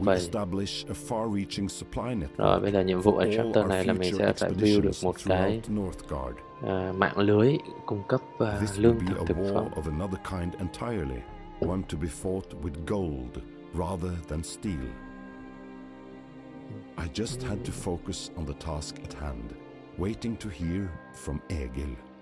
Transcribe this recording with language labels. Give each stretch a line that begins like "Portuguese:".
English: we establish a far-reaching supply network.
Vietnamese: Rồi bây giờ nhiệm vụ ở chapter này là mình sẽ phải build được một cái mạng lưới cung cấp lương thực thực phẩm.
English: Of another kind entirely, one to be fought with gold rather than steel. I just had to focus on the task at hand, waiting to hear from Egil.